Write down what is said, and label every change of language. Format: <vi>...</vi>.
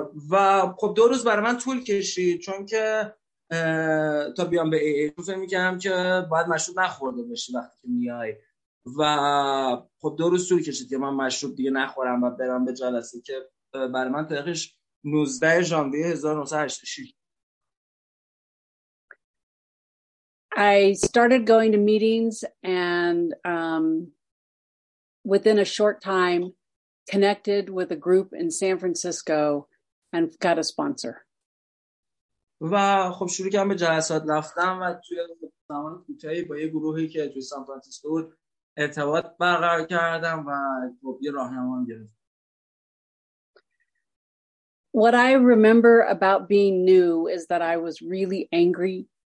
<fa>و خب دو روز برای من طول کشید چون که تا بیام به ای ای فکر میکنم که باید مشروب نخورده باشی وقتی که میای و خب دو روز طول کشید که من مشروب دیگه نخورم و برم به جلسه که برای من تاریخش 19 ژانویه 1986.</fa> <en>I started going to meetings and within a short time connected with a group in San Francisco and got a sponsor.</en> <fa>و خب شروع کردم به جلسات رفتم و توی زمان کوتاهی با یه گروهی که توی سان فرانسیسکو بود ارتباط برقرار کردم و خب یه راهنمایی گرفتم.</fa> <en>What I remember about being new is that I was really angry.</en>